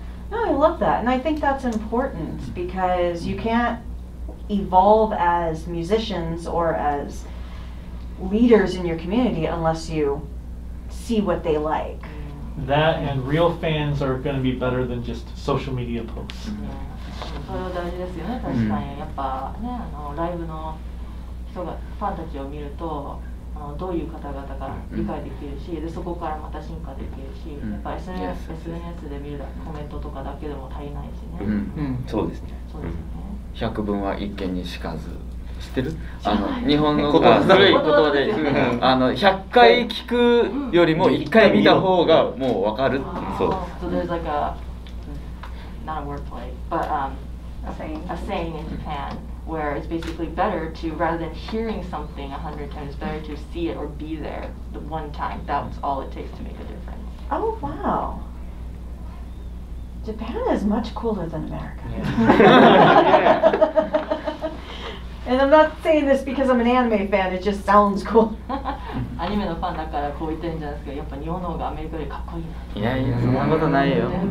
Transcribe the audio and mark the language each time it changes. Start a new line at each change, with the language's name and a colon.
English: No, I love that and I think that's important because you can't evolve as musicians or as leaders in your community unless you see what they like. That and real fans are going to be better than just social media posts.
Japanese: それは大事ですよね確かにやっぱねライブの人がファンたちを見るとどういう方々か理解できるし、でそこからまた進化できるし、やっぱ SNS で見るコメントとかだけでも足りないしね。そうですね。百聞は一見にしかず。知ってる？あの日本語が古い言葉で、あの百回聞くよりも一回見た方がもう分かる。そう。
English: So there's like a not a wordplay, but a saying in Japan. Where it's basically better to rather than hearing something 100 times, better to see it or be there the one time. That's all it takes to make a difference. Oh wow! Japan is much cooler than America. Yeah. And I'm not saying this because I'm an anime fan. It just sounds cool.
Japanese: アニメのファンだからこう言ってるんじゃないですか。やっぱ日本の方がアメリカよりかっこいいな。いやいやそんなことないよ。